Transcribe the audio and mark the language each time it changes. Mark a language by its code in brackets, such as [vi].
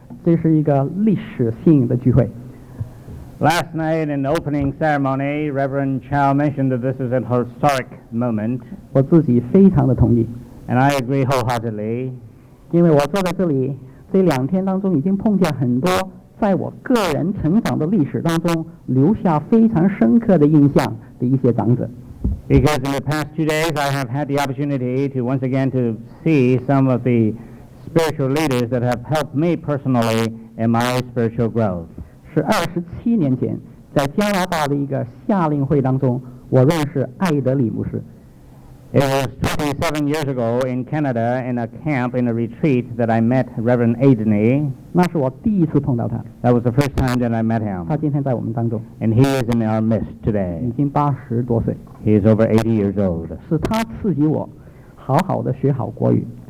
[zh] 昨天晚上周牧师介绍的时候就说这是一个历史性的聚会。 [en] Last night in the opening ceremony, Reverend Chow mentioned that this is an historic moment. [zh] 我自己非常的同意。 [en] And I agree wholeheartedly. [zh] 因为我坐在这里这两天当中已经碰见很多 在我个人成长的历史当中留下非常深刻的印象的一些长者。 [en] Because in the past 2 days I have had the opportunity to once again to see some of the spiritual leaders that have helped me personally in my spiritual growth. [zh] 是27年前在加拿大的一个夏令会当中我认识艾德里牧师。 [en] It was 27 years ago in Canada in a camp in a retreat that I met Reverend Aidney. [zh] 那是我第一次碰到他。 [en] That was the first time that I met him. [zh] 他今天在我们当中。 [en] And he is in our midst today. [zh] 已经80多岁。 [en] He is over 80 years old. [zh] 是他刺激我好好的学好国语。